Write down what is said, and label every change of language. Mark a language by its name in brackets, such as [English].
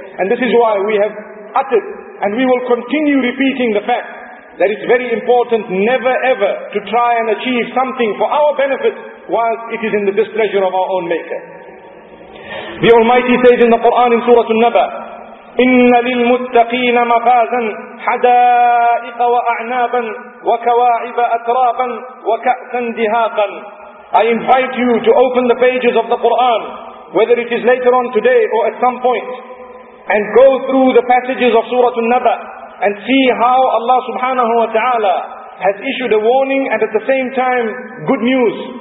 [English] And this is why we have uttered, and we will continue repeating, the fact that it's very important never ever to try and achieve something for our benefit whilst it is in the displeasure of our own Maker. The Almighty says in the Quran in Surah An-Naba, [Arabic] إن للمتقين مفازا حدائق وأعنابا وكواعب أترابا وكأسا دهاقا. [English] I invite you to open the pages of the Quran, whether it is later on today or at some point, and go through the passages of Surah An-Naba and see how Allah subhanahu wa ta'ala has issued a warning and at the same time good news.